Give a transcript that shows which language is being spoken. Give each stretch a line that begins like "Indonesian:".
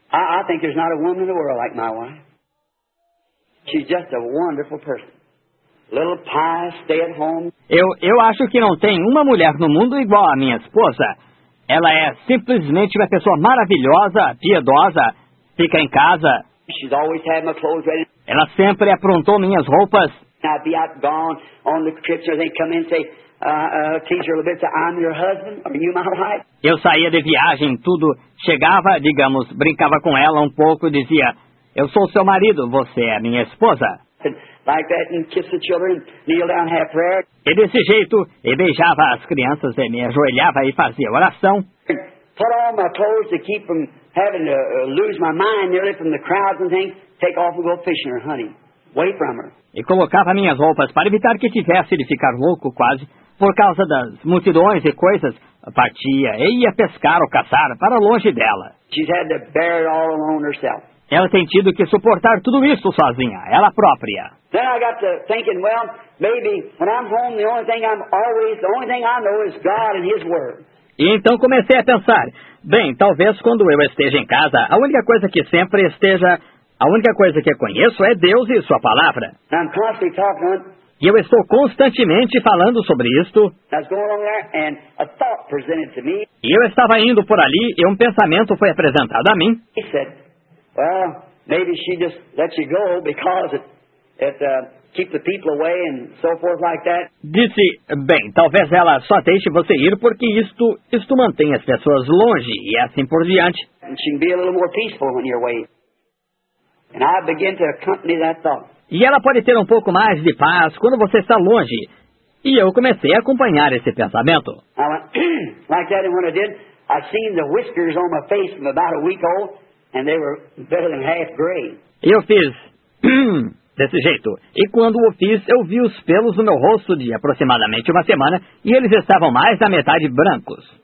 English: I think there's not a woman in the world like my wife. She's just a wonderful person. Little pious, stay at home.
Portuguese: Eu acho que não tem uma mulher no mundo igual a minha esposa. Ela é simplesmente uma pessoa maravilhosa, piedosa, fica em casa.
English: She's always had my clothes ready.
Portuguese: Ela sempre aprontou minhas roupas.
English: I'd be out gone on the trip, so they come in and say, teacher, a little bit, say, I'm your husband, are you my wife?
Portuguese: Eu saía de viagem, tudo, chegava, digamos, brincava com ela um pouco e dizia, eu sou seu marido, você é minha esposa.
English: Like that, and kiss the children, kneel down, have prayer.
Portuguese: E desse jeito, e beijava as crianças, e me ajoelhava e fazia oração.
English: Put on my clothes to keep from having to lose my mind nearly from the crowds and things. Take off and go fishing or hunting. Away from her.
Portuguese: E colocava minhas roupas para evitar que tivesse de ficar louco quase por causa das multidões e coisas. Partia e ia pescar ou caçar para longe dela.
English: She's had to bear it all alone herself.
Portuguese: Ela tem tido que suportar tudo isso sozinha, ela própria.
English: Then I got to thinking, well, maybe when I'm home, the only thing I know is God and His Word.
Portuguese: E então comecei a pensar, bem, talvez quando eu esteja em casa, a única coisa que sempre esteja, a única coisa que eu conheço é Deus e Sua Palavra.
English: I'm constantly talking on...
Portuguese: E eu estou constantemente falando sobre isto.
English: I was going along there and a thought presented to me.
Portuguese: E eu estava indo por ali e um pensamento foi apresentado a mim.
English: He said, well, maybe she just let you go because it keep the people away and so forth like that.
Portuguese: Disse, bem, talvez ela só deixe você ir porque isto mantém as pessoas longe e assim por diante.
English: And she can be a little more peaceful when you're away. And I begin to accompany that thought.
Portuguese: E ela pode ter um pouco mais de paz quando você está longe. E eu comecei a acompanhar esse pensamento.
English: I went, like that, and when I did, I seen the whiskers on my face from about a week old. And they were better than half gray.
Portuguese: Eu fiz desse jeito. E quando o fiz, eu vi os pelos no meu rosto de aproximadamente uma semana e eles estavam mais da metade brancos.